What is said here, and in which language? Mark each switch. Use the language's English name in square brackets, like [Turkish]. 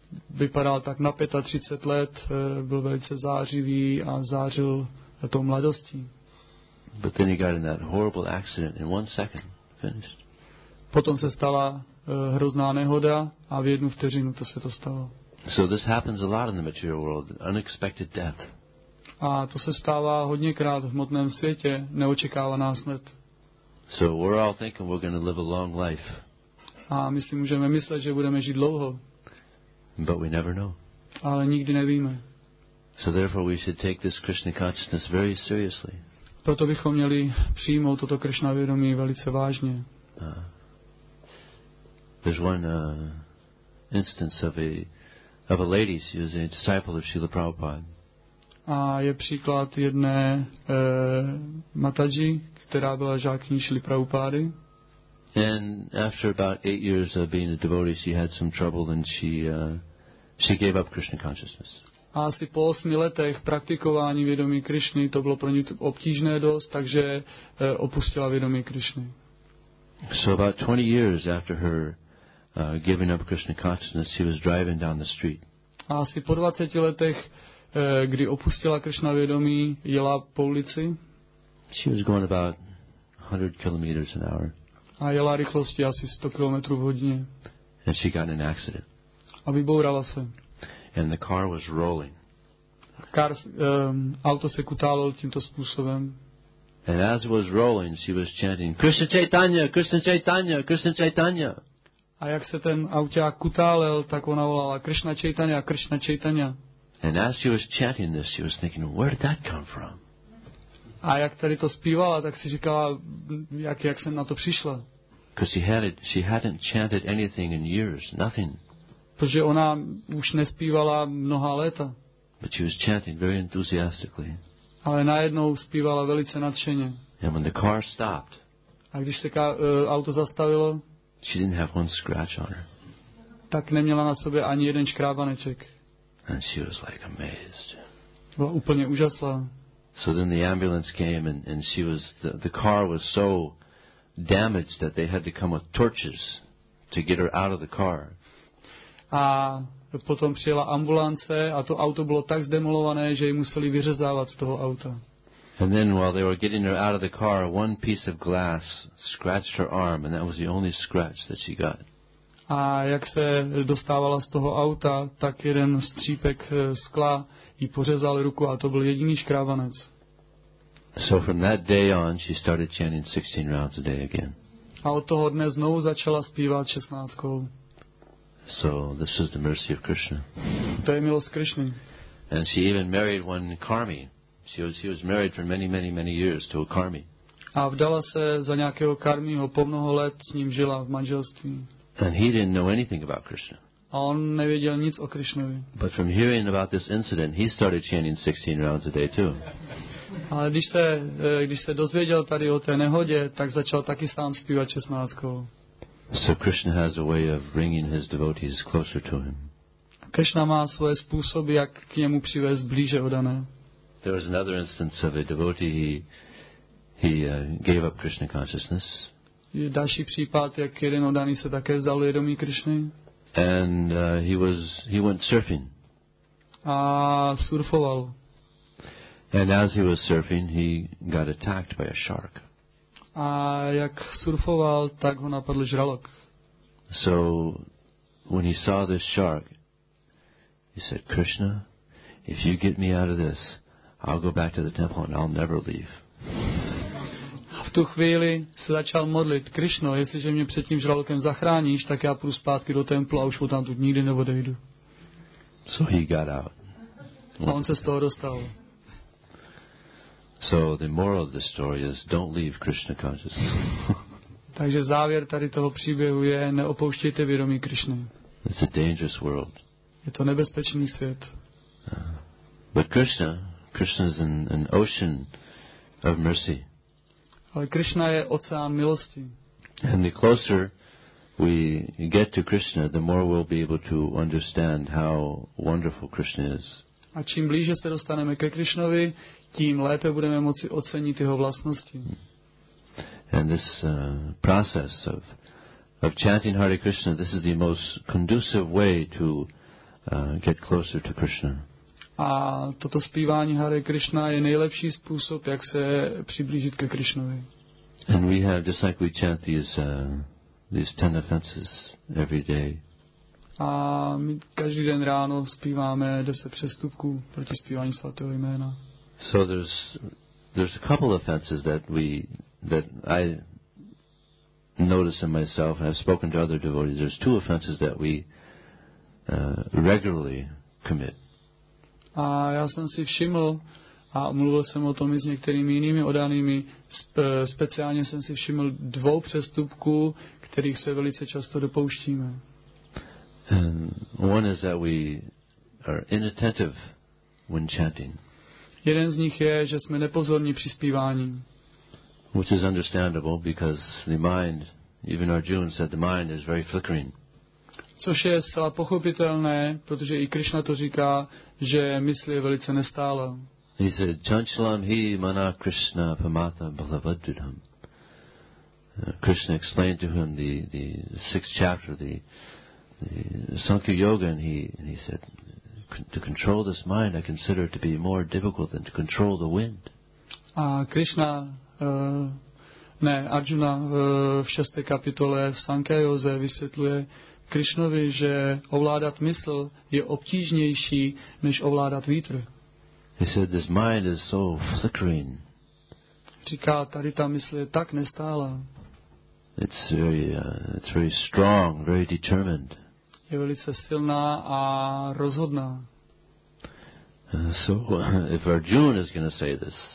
[Czech] Vypadal tak na 35 let, byl velice zářivý a zářil tou mladostí. [English] But then he got in that horrible accident in one second, finished. [Czech] Potom se stala hrozná nehoda a v jednu vteřinu to se to stalo. [English] So this happens a lot in the material world, unexpected death. [Czech] A to se stává hodněkrát v hmotném světě, neočekávaná smrt. [English] So we're all thinking we're going to live a long life. [Czech] A my si můžeme myslet, že budeme žít dlouho. [English] But we never know. [Czech] Ale nikdy nevíme. [English] So therefore we should take this Krishna consciousness very seriously. [Czech] Proto bychom měli přijmout toto Krishna vědomí velice vážně. [English] There's one instance of a lady. She was a disciple of Srila Prabhupada. [Czech] A je příklad jedné mataji, která byla žákyní Srila Prabhupády. [English] And after about 8 years of being a devotee, she had some trouble and she gave up Krishna consciousness. [Czech] A asi po 8 letech praktikování vědomí Krišny to bylo pro ní obtížné dost, takže opustila vědomí Krišny. [English] So about 20 years after her giving up Krishna consciousness, she was driving down the street. [Czech] A asi po 20 letech, kdy opustila Krishna vědomí, jela po ulici. [English] She was going about 100 kilometers an hour. [Czech] A jela rychlostí asi 100 km v hodině. [English] And she got in an accident. [Czech] A vybourala se. [English] And the car was rolling. [Czech] Car, auto se kutálo tímto způsobem. [English] And as it was rolling, she was chanting, Krishna Chaitanya, Krishna Chaitanya, Krishna Chaitanya. [Czech] A jak se ten auták kutálel, tak ona volala, Krishna Chaitanya, Krishna Chaitanya. [English] And as she was chanting this, she was thinking, where did that come from? [Czech] A jak tady to zpívala, tak si říkala, jak jsem na to přišla. [English] Because she hadn't chanted anything in years, nothing. [Czech] Protože ona už nespívala mnoha léta. [English] But she was chanting very enthusiastically. [Czech] Ale najednou zpívala velice nadšeně. [English] And when the car stopped, [Czech] a když se auto zastavilo, [English] she didn't have one scratch on her. [Czech] Tak neměla na sobě ani jeden škrábaneček. [English] And she was like amazed. [Czech] Byla úplně úžasná. [English] So then the ambulance came and she was the car was so damaged that they had to come with torches to get her out of the car. [Czech] A potom přijela ambulance a to auto bylo tak zdemolované, že ji museli vyřezávat z toho auta. [English] And then while they were getting her out of the car, one piece of glass scratched her arm and that was the only scratch that she got. [Czech] A jak se dostávala z toho auta, tak jeden střípek skla jí pořezal ruku a to byl jediný škrábanec. [English] So from that day on, she started chanting 16 rounds a day again. [Czech] A od toho dne znovu začala zpívat 16. [English] So this is the mercy of Krishna. [Czech] To je milost Krishny. [English] And she even married one karmi. She was married for many, many, many years to a karmi. [Czech] A vdala se za nějakého karmího, po mnoho let s ním žila v manželství. [English] And he didn't know anything about Krishna. [Czech] A on nevěděl nic o Krishnovi. [English] But from hearing about this incident, he started chanting 16 rounds a day too. [Czech] Ale když se dozvěděl tady o té nehodě, tak začal taky sám zpívat 16. [English] So Krishna has a way of bringing his devotees closer to him. [Czech] Krishna má svoje způsoby, jak k němu přivést blíže oddané. [English] There was another instance of a devotee, he gave up Krishna consciousness. [Czech] Je další případ, jak jeden oddaný se také vzdal vědomí Krishny. [English] And he went surfing. [Czech] A surfoval. [English] And as he was surfing, he got attacked by a shark. [Czech] A jak surfoval, tak ho napadl žralok. [English] So when he saw this shark, he said, Krishna, if you get me out of this, I'll go back to the temple and I'll never leave. [Czech] A v tu chvíli se začal modlit, Krishno, jestliže mě před tím žralokem zachráníš, tak já půjdu zpátky do templu a už ho tam tu nikdy neodejdu. [English] So he got out. [Czech] A on se z toho dostal. [English] So the moral of the story is don't leave Krishna consciousness. [Czech] Takže závěr tady toho příběhu je neopouštějte vědomí Krishny. [English] It's a dangerous world. [Czech] Je to nebezpečný svět. [English] But Krishna is an ocean of mercy. [Czech] Ale Krishna je oceán milosti. [English] And the closer we get to Krishna, the more we'll be able to understand how wonderful Krishna is. [Czech] A čím blíže se dostaneme ke Krishnovi, tím lépe budeme moci ocenit jeho vlastnosti. [English] And this process of chanting Hare Krishna, this is the most conducive way to get closer to Krishna. [Czech] A toto zpívání Hare Krishna je nejlepší způsob, jak se přiblížit ke Krishnovi. [English] And we have just like we chant these 10 offenses every day. [Czech] A my každý den ráno zpíváme 10 přestupků proti zpívání svatého jména. [English] So there's a couple offenses that I notice in myself, and I've spoken to other devotees. There's two offenses that we regularly commit. [Czech] A já jsem si všiml a mluvil jsem o tom i s některými jinými oddanými. Speciálně jsem si všiml dvou přestupků, kterých se velice často dopouštíme. [English] One is that we are inattentive when chanting. [Czech] Jeden z nich je, že jsme nepozorní při zpívání. [English] Which is understandable because the mind, even Arjuna said, the mind is very flickering. [Czech] Což je zcela pochopitelné, protože i Krishna to říká, že mysl je velice nestála. [English] He said, [Sanskrit] Chanchalam hi mana Krishna pamata bhavadudham. [English] Krishna explained to him the sixth chapter, the Sankhya Yoga, and he said, to control this mind, I consider it to be more difficult than to control the wind. [Czech] A Krishna, ne, Arjuna v 6. kapitole v Sankhya Yoze vysvětluje Krishnovi, že ovládat mysl je obtížnější než ovládat vítr. [English] He said, this mind is so flickering. [Czech] Říká, tady ta mysl je tak nestála. [English] It's very strong, very determined. [Czech] Je velice silná a rozhodná. [English] So if Arjuna is going to say this,